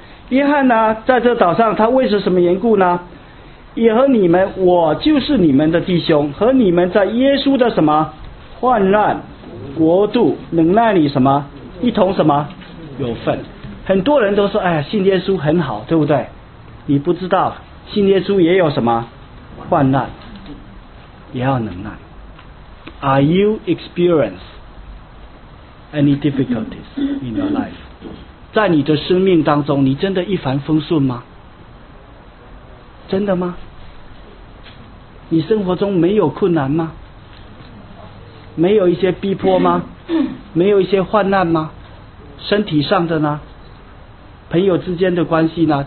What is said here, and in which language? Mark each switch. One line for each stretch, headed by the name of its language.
Chinese: 约翰呢，在这岛上，他为着什么缘故呢？也和你们，我就是你们的弟兄，和你们在耶稣的什么患难国度能耐里什么一同什么有份。很多人都说，哎呀，信耶稣很好，对不对？你不知道，信耶稣也有什么患难，也要能耐。
English: Are you experience any difficulties in your life？
Chinese: 在你的生命当中，你真的一帆风顺吗？真的吗？你生活中没有困难吗？没有一些逼迫吗？没有一些患难吗？身体上的呢？朋友之间的关系呢？